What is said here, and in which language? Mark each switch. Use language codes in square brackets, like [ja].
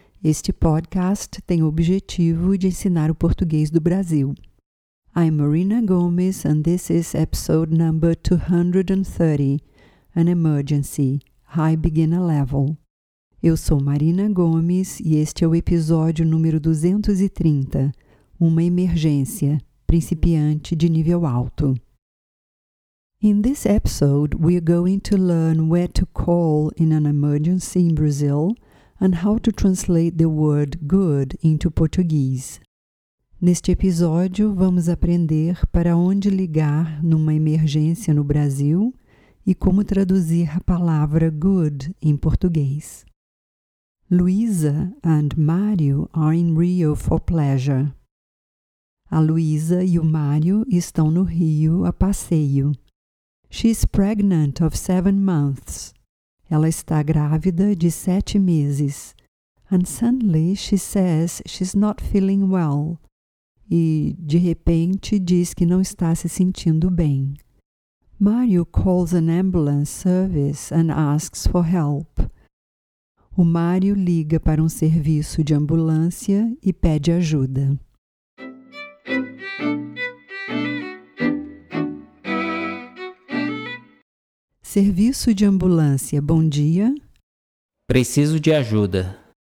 [pt] Este podcast tem o objetivo de ensinar o português do Brasil. [en] I'm Marina Gomes and this is episode number 230, An Emergency, High Beginner Level. [pt] Eu sou Marina Gomes e este é o episódio número 230, Uma Emergência, Principiante de Nível Alto. [en] In this episode, we are going to learn where to call in an emergency in Brazil and how to translate the word good into Portuguese. [pt] Neste episódio, vamos aprender para onde ligar numa emergência no Brasil e como traduzir a palavra good em português. [en] Luisa and Mario are in Rio for pleasure. [pt] A Luisa e o Mario estão no Rio a passeio. [en] She is pregnant of 7 months. [pt] Ela está grávida de 7 meses. [en] And suddenly she says she's not feeling well. [pt] E, de repente, diz que não está se sentindo bem. [en] Mario calls an ambulance service and asks for help. [pt] O Mario liga para um serviço de ambulância e pede ajuda. Serviço de ambulância, bom dia. Preciso de ajuda.